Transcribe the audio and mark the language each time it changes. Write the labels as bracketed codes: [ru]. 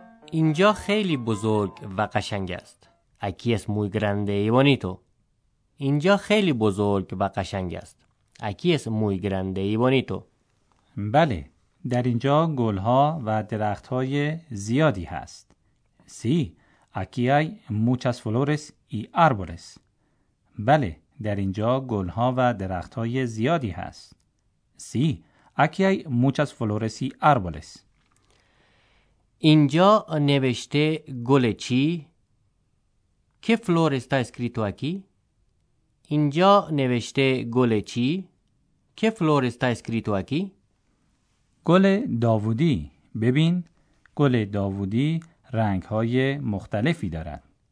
[fa] اینجا خیلی بزرگ و قشنگ است. [es] Aquí es muy grande y bonito. [fa] اینجا خیلی بزرگ و قشنگ است. [es] Aquí es muy grande y bonito. [fa] بله، در اینجا گلها و درختهای زیادی هست. [es] Sí, aquí hay muchas flores y árboles. [fa] بله، در اینجا گلها و درختهای زیادی هست. [es] Sí, aquí hay muchas flores y árboles. [fa] اینجا نوشته گل چی؟ که [es] فلور استا اسکریتو اکی؟ [fa] اینجا نوشته گل چی؟ که فلور استا اسکریتو اکی؟ گل داوودی. ببین، گل داوودی رنگ های مختلفی دارد.